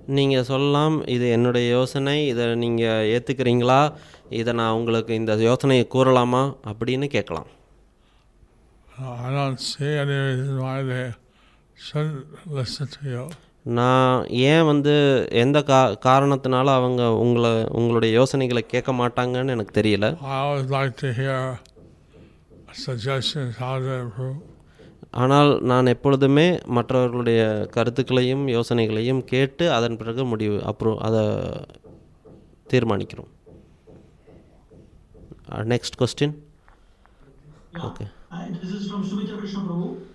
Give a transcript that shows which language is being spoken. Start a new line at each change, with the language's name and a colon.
Tamil: நீங்கள் சொல்லலாம் இது என்னுடைய யோசனை இதை நீங்கள் ஏற்றுக்கிறீங்களா இதை நான் உங்களுக்கு இந்த யோசனையை கூறலாமா அப்படின்னு கேட்கலாம்.
English: I don't see any reason why they shouldn't listen to you.
Tamil: நான் ஏன் வந்து எந்த காரணத்தினால அவங்க உங்களுடைய யோசனைகளை கேட்க மாட்டாங்கன்னு எனக்கு தெரியல.
English: I would like to hear suggestions how to improve.
Tamil: ஆனால் நான் எப்பொழுதுமே மற்றவர்களுடைய கருத்துக்களையும் யோசனைகளையும் கேட்டு அதன் பிறகு முடிவு அப்புறம் அதை தீர்மானிக்கிறோம்.
English: Next question. Okay, this is from Sumitra Krishna Prabhu.